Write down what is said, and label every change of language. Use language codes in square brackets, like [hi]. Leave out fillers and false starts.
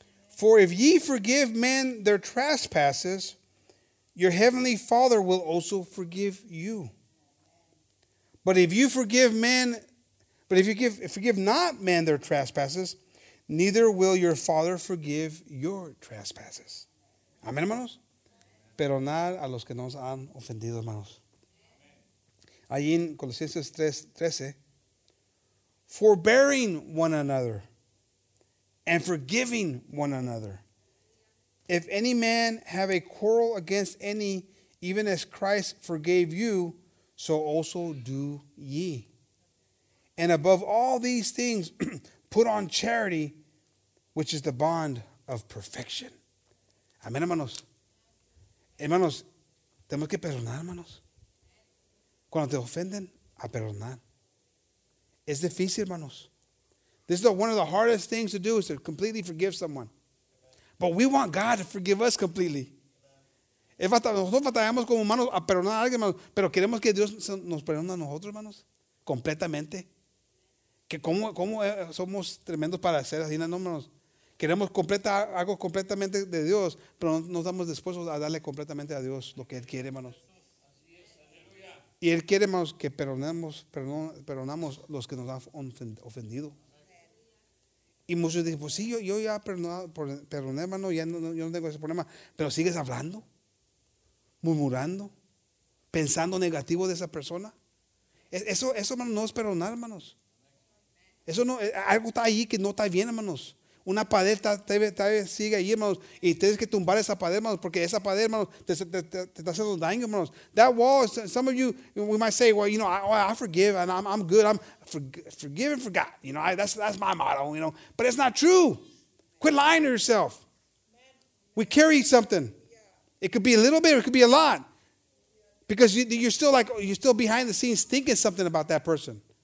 [en] For if ye forgive men their trespasses, your heavenly Father will also forgive you. But if you forgive men, but if you give, forgive not men their trespasses, neither will your Father forgive your trespasses. [es] Amén, hermanos. Perdonad a los que nos han ofendido, hermanos. Allí en Colosenses [en] 3:13, forbearing one another and forgiving one another. If any man have a quarrel against any, even as Christ forgave you, so also do ye. And above all these things, put on charity, which is the bond of perfection. [es] Amén, hermanos. Hermanos, tenemos que perdonar, hermanos. Cuando te ofenden, a perdonar. Es difícil, hermanos. [en] This is the, one of the hardest things to do is to completely forgive someone. But we want God to forgive us completely. [es] Nosotros batallamos como humanos a perdonar a alguien, pero queremos que Dios nos perdone a nosotros, hermanos, completamente. Que cómo somos tremendos para hacer así, hermanos. Queremos algo completamente de Dios, pero no nos damos dispuestos a darle completamente a Dios lo que Él quiere, hermanos. Y Él quiere, hermanos, que perdonamos los que nos han ofendido. Y muchos dicen, pues sí, yo ya perdoné, hermano, ya no tengo ese problema. Pero sigues hablando, murmurando, pensando negativo de esa persona. Eso, hermano, no es perdonar, hermanos. Eso no, algo está ahí que no está bien, hermanos. Una pared todavía sigue ahí, hermanos. Y tienes que tumbar esa pared, hermanos, porque esa pared, hermanos, te está haciendo daño, hermanos. [en] That wall, some of you, we might say, well, you know, I forgive and I'm good. I'm forgive and forgot. You know, that's my motto, you know. But it's not true. Quit lying to yourself. We carry something. It could be a little bit or it could be a lot. Because you're still behind the scenes thinking something about that person.